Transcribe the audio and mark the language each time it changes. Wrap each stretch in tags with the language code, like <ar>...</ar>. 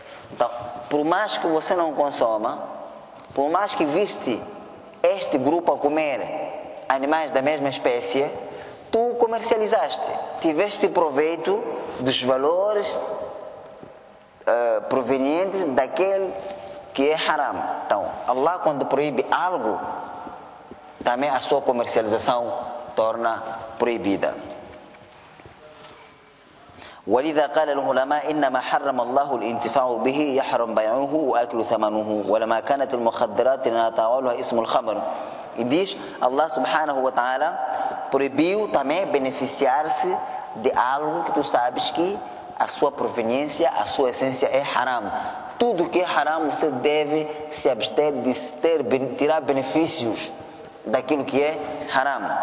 <pt>Então, por mais que você não consoma, por mais que viste este grupo a comer animais da mesma espécie, tu comercializaste, tiveste proveito dos valores provenientes daquele que é haram. Então, Allah, quando proíbe algo, também a sua comercialização torna proibida.</pt> <ar>ولذا قال العلماء إنما حرم الله الانتفاع به يحرم بيعه وأكل ثمنه ولما كانت المخدرات لا تعولها اسم الخمر.</ar> <pt>E diz Allah subhanahu wa ta'ala proibiu também beneficiar-se de algo que tu sabes que a sua proveniência, a sua essência é haram. Tudo que é haram você deve se abster de tirar benefícios daquilo que é haram.</pt>